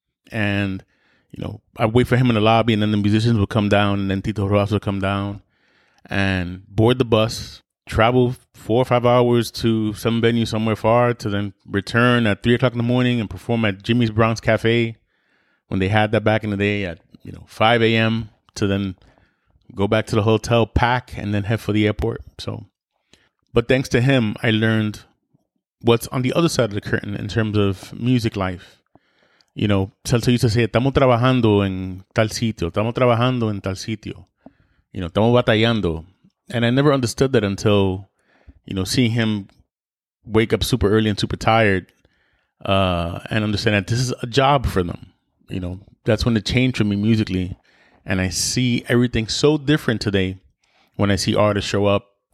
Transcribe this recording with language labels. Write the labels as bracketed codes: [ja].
[en] And, you know, I'd wait for him in the lobby, and then the musicians would come down, and then Tito Rojas would come down and board the bus, travel 4 or 5 hours to some venue somewhere far, to then return at 3 o'clock in the morning and perform at Jimmy's Bronx Cafe when they had that back in the day at, you know, 5 a.m. to then go back to the hotel, pack, and then head for the airport. So, but thanks to him, I learned what's on the other side of the curtain in terms of music life. You know, Celso used to say, [es] estamos trabajando en tal sitio, estamos trabajando en tal sitio. [en] You know, [es] estamos batallando. [en] And I never understood that until, you know, seeing him wake up super early and super tired and understand that this is a job for them. You know, that's when it changed for me musically. And I see everything so different today when I see artists show up.